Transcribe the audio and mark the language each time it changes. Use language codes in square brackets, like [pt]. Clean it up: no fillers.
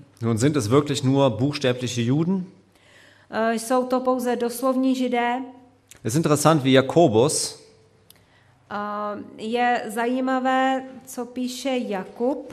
[de] Nun sind es wirklich nur buchstäbliche Juden? [cs] Jsou to pouze doslovní Židé? [de] Es ist interessant, wie Jakobus. [cs] Je zajímavé, co píše Jakub.